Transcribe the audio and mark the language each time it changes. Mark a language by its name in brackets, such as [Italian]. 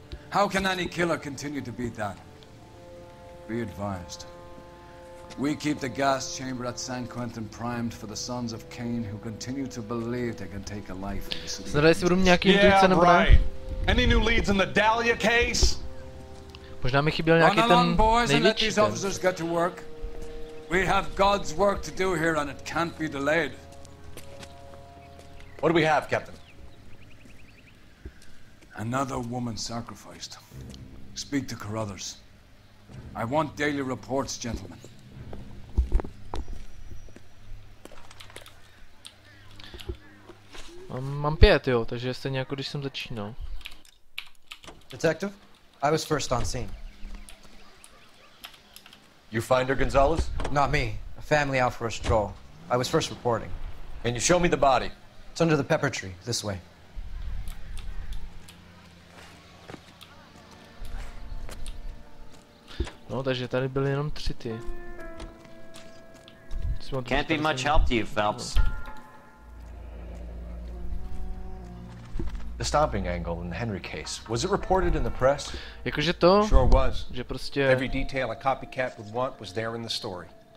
[English] How can any killer continue to be that? Be advised. We keep the gas chamber at San Quentin primed for the sons of Cain who continue to believe they can take a life in the city. Yeah, right. Any new leads in the Dahlia case? [Czech] Možná mi chyběl nějaký ten největší ten. [English] We have God's work to do here and it can't be delayed. What do we have, Captain? Another woman sacrificed. Speak to Carruthers. I want daily reports, gentlemen. [Czech] Mám pět, jo, takže stejně jako když jsem začínal. [English] Detective, I was first on scene. You find her, Gonzalez? Not me. A family out for a stroll. I was first reporting. Can you show me the body? It's under the pepper tree, this way. [Czech] No, takže tady byly jenom tři ty. [English] Can't be much help to you, Phelps. The stomping angle in the Henry case, was it reported in the press? [Czech] Jakože to? [English] Sure was. [Czech] Že prostě... [English] Every detail a copycat would want was there in the story.